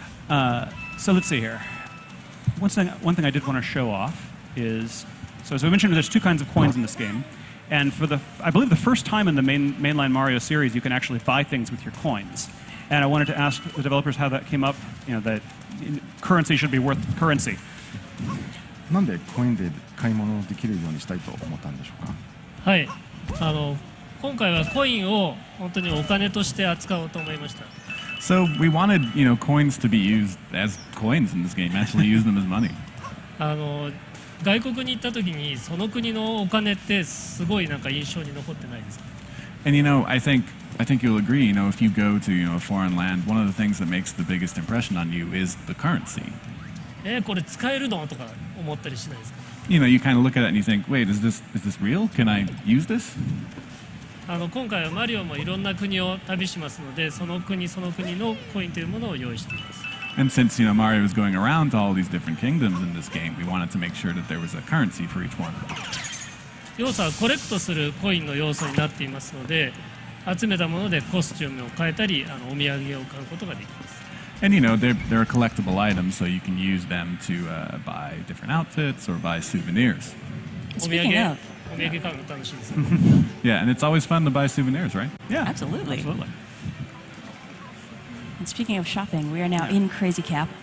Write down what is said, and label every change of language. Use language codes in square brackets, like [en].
[en] Yeah. So let's see here. One thing I did want to show off is... So as we mentioned, there's two kinds of coins in this game. And I believe the first time in the mainline Mario series, you can actually buy things with your coins. And I wanted to ask the developers how that came up, you know, that currency should be worth currency. [ja] なんでコインで買い物できるようにしたいと思ったんでしょうか。はい。今回はコインを本当にお金として扱おうと思いました。 [en] So we wanted, you know, coins to be used as coins in this game, actually use them as money. [ja] 外国に行った時にその国のお金ってすごいなんか印象に残ってないですか。 [en] And you know, I think you'll agree, you know, if you go to, you know, a foreign land, one of the things that makes the biggest impression on you is the currency. [ja] これ使えるのとか思ったりしないですか。 [en] You know, you kind of look at it and you think, wait, is this real? Can I use this? [ja] 今回はマリオもいろんな国を旅しますので、その国のコインというものを用意しています。 [en] And since, you know, Mario was going around to all these different kingdoms in this game, we wanted to make sure that there was a currency for each one. [ja] 要素はコレクトするコインの要素になっていますので、集めたものでコスチュームを変えたり、お土産を買うことができます。 [en] And, you know, they're a collectible item, so you can use them to buy different outfits or buy souvenirs. Speaking of... Yeah, and it's always fun to buy souvenirs, right? Yeah, absolutely. Absolutely. And speaking of shopping, we are now in Crazy Cap.